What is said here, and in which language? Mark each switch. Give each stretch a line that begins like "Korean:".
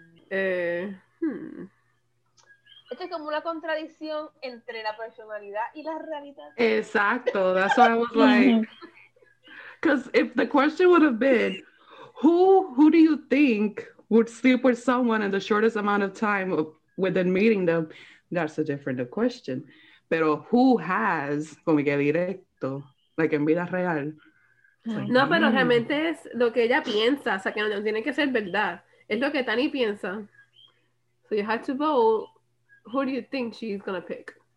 Spanish: Esto es como una contradicción entre la personalidad y la realidad. Exacto.
English: That's what I was like. Because if the question would have been, who do you think would sleep with someone in the shortest amount of time within meeting them? That's a different question.
Spanish: Pero
English: who has,
Spanish: como que directo,
English: like
Spanish: en vida real. No, pero realmente es lo que ella piensa. O sea, que no tiene que ser verdad. Es lo que Tani piensa.
English: So you have to vote. Who do you think she's going to pick?